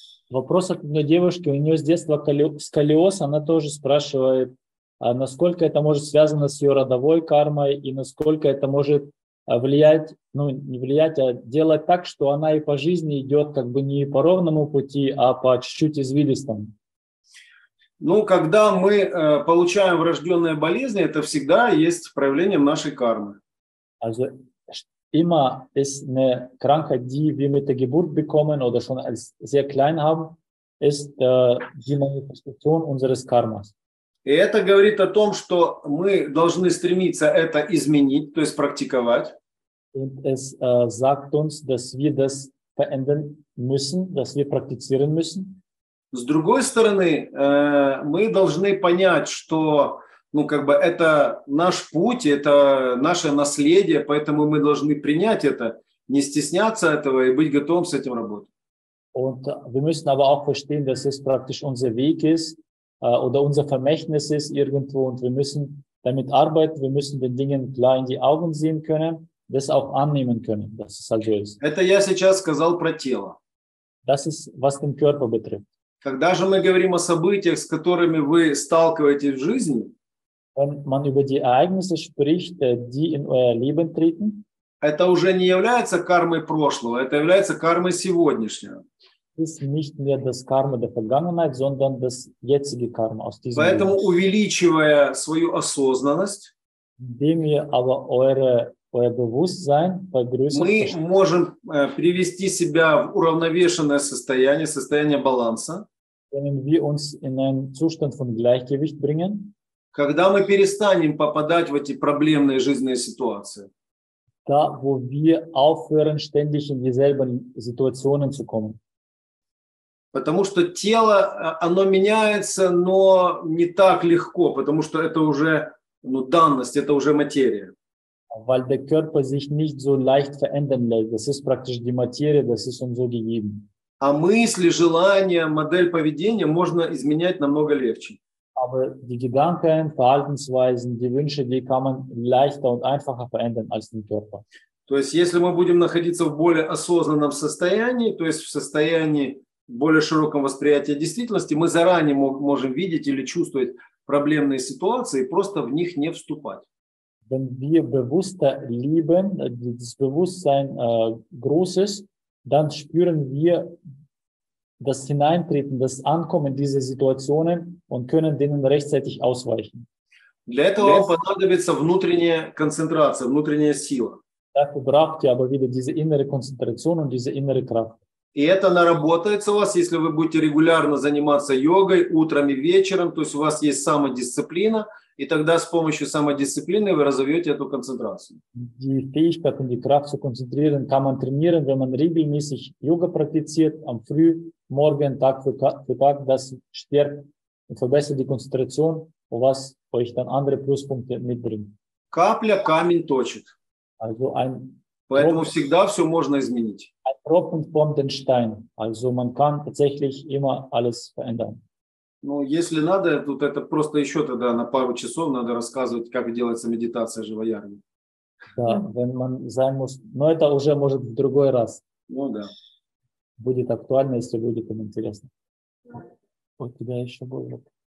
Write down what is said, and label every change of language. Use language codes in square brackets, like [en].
[ru] Вопрос от одной девушки, у нее с детства сколиоз, она тоже спрашивает, насколько это может связано с ее родовой кармой и насколько это может влиять, ну не влиять, а делать так, что она и по жизни идет как бы не по ровному пути, а по чуть-чуть извилистому. Ну, когда мы получаем врожденные болезни, это всегда есть проявлением нашей кармы. [de] Also, immer ist eine Krankheit, die wir mit der Geburt bekommen oder schon als sehr klein haben, ist die Manifestation unseres Karmas. [ru] И это говорит о том, что мы должны стремиться это изменить, то есть практиковать. [de] Und es sagt uns, dass wir das verändern müssen, dass wir praktizieren müssen. [ru] С другой стороны, мы должны понять, что, ну, как бы, это наш путь, это наше наследие, поэтому мы должны принять это, не стесняться этого и быть готовым с этим работать. [de] Und wir müssen aber auch verstehen, dass es praktisch unser Weg ist oder unser Vermächtnis ist irgendwo und wir müssen damit arbeiten, wir müssen den Dingen klar in die Augen sehen können, das auch annehmen können, dass es also ist. [ru] Это я сейчас сказал про тело. [de] Das ist, was den Körper betrifft. [ru] Когда же мы говорим о событиях, с которыми вы сталкиваетесь в жизни, [de] Wenn man über die Ereignisse spricht, die in euer Leben treten, [ru] это уже не является кармой прошлого, это является кармой сегодняшнего. [de] Ist nicht mehr das Karma der Vergangenheit, sondern das jetzige Karma aus diesem Leben. [ru] Поэтому увеличивая свою осознанность, [de] indem ihr aber euer Bewusstsein vergrößert, [ru] мы можем привести себя в уравновешенное состояние, состояние баланса, [de] können wir uns in einen Zustand von Gleichgewicht bringen, [ru] когда мы перестанем попадать в эти проблемные жизненные ситуации. [de] Da, wo wir aufhören, ständig in dieselben Situationen zu kommen. [ru] Потому что тело, оно меняется, но не так легко, потому что это уже данность, это уже материя. [de] Weil der Körper sich nicht so leicht verändern lässt. Das ist praktisch die Materie, das ist uns so gegeben. [ru] А мысли, желания, модель поведения можно изменять намного легче. [de] Aber die Gedanken, Verhaltensweisen, die Wünsche, die kann man leichter und einfacher verändern als den Körper. [ru] То есть, если мы будем находиться в более осознанном состоянии, то есть в состоянии более широком восприятии действительности, мы заранее можем видеть или чувствовать проблемные ситуации и просто в них не вступать. [de] Wenn wir bewusster leben, das Bewusstsein groß ist, dann spüren wir das Hineintreten, das Ankommen dieser Situationen und können denen rechtzeitig ausweichen. [ru] Для этого вам понадобится внутренняя концентрация, внутренняя сила. [de] Dafür braucht ihr aber wieder diese innere Konzentration und diese innere Kraft. [ru] И это наработается у вас, если вы будете регулярно заниматься йогой утром и вечером, то есть у вас есть самодисциплина, и тогда с помощью самодисциплины вы разовьете эту концентрацию. [de] Die Fähigkeit und die Kraft zu konzentrieren kann man trainieren, wenn man regelmäßig Yoga praktiziert, am früh, morgen, Tag für Tag, das stärkt und verbessert die Konzentration, was euch dann andere Pluspunkte mitbringt. [ru] Капля камень точит. [de] Also ein [ru] Поэтому [de] Tropfen, [ru] всегда все можно изменить. [de] Ein Tropfen formt den Stein. Also man kann tatsächlich immer alles verändern. [ru] Ну, если надо, тут это просто еще тогда на пару часов надо рассказывать, как делается медитация Живаярви. Да, [de] wenn man sein muss, [ru] но это уже может в другой раз. Ну да. Будет актуально, если будет им интересно. У тебя еще будет.